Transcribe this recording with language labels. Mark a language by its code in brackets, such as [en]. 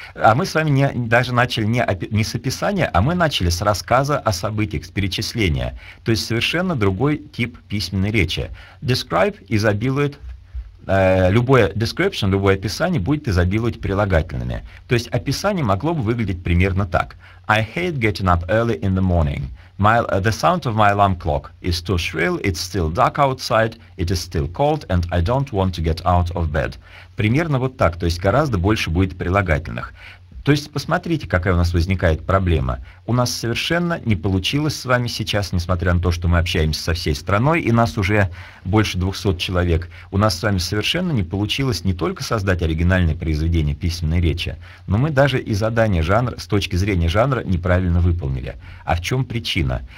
[ru] А мы с вами начали не с описания, а мы начали с рассказа о событиях, с перечисления. То есть совершенно другой тип письменной речи. Describe изобилует... Любое description, любое описание будет изобиловать прилагательными. То есть описание могло бы выглядеть примерно так. [en] I hate getting up early in the morning. The sound of my alarm clock is too shrill, it's still dark outside, it is still cold, and I don't want to get out of bed. [ru] Примерно вот так, то есть гораздо больше будет прилагательных. То есть посмотрите, какая у нас возникает проблема. У нас совершенно не получилось с вами сейчас, несмотря на то, что мы общаемся со всей страной, и нас уже больше 200 человек, у нас с вами совершенно не получилось не только создать оригинальное произведение письменной речи, но мы даже и задание жанра, с точки зрения жанра, неправильно выполнили. А в чем причина?